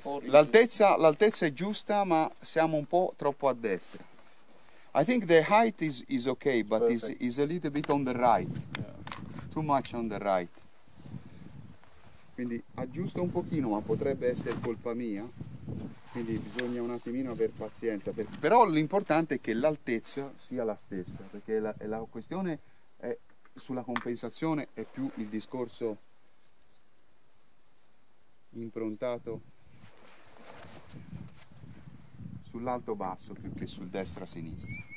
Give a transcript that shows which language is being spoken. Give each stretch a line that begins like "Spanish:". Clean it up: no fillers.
Italian: L'altezza è giusta, ma siamo un po' troppo a destra.
English: I think the height is okay, but is a little bit on the right. Yeah. Too much on the right.
Italian: Quindi aggiusto un pochino, ma potrebbe essere colpa mia. Quindi bisogna un attimino aver pazienza, però l'importante è che l'altezza sia la stessa, perché la questione è sulla compensazione, è più il discorso improntato sull'alto basso più che sul destra sinistra.